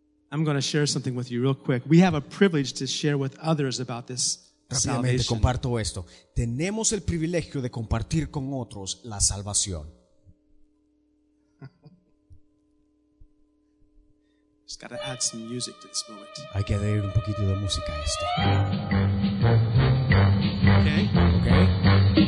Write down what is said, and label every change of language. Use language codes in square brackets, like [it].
[en] I'm going to share something with you real quick. We have a privilege to share with others about this. [es] Rápidamente comparto esto. Tenemos el privilegio de compartir con otros la salvación. [en] Just gotta add some music to this moment. [es] Hay que añadir un poquito de música a esto.